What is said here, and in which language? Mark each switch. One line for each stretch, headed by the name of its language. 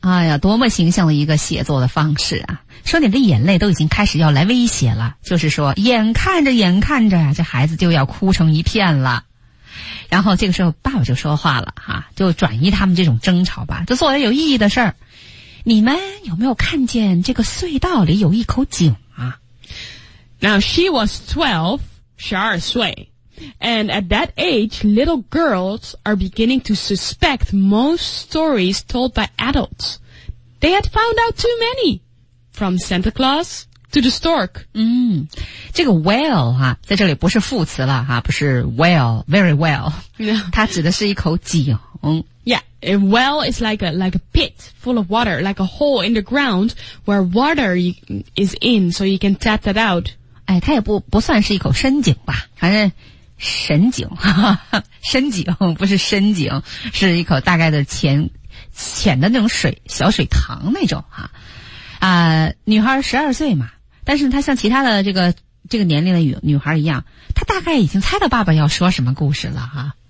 Chinese: 哎呀，多么形象的一个写作的方式啊。说你的眼泪都已经开始要来威胁了，就是说眼看着这孩子就要哭成一片了。然后这个时候爸爸就说话了哈、啊，就转移他们这种争吵吧，就做点有意义的事儿。你们有没有看见这个隧道里有一口井啊
English: ？Now she was 12, 12岁 ，and at that age, little girls are beginning to suspect most stories told by adults. They had found out too many. From Santa Claus to the stork.
Chinese: 嗯，这个 well 哈、啊，在这里不是副词了哈、啊，不是 well,
English: very well. No.
Chinese: 它指的是一口井。
English: Yeah, a well is like a pit full of water, like a hole in the ground where water is in, so you can tap that out.
Chinese: 哎，它也不算是一口深井吧，反正深井，深井不是深井，是一口大概的浅的那种水，小水塘那种哈。啊女孩12岁嘛，但是她像其他的这个年龄的女孩一样，她大概已经猜到爸爸要说什么故事了哈。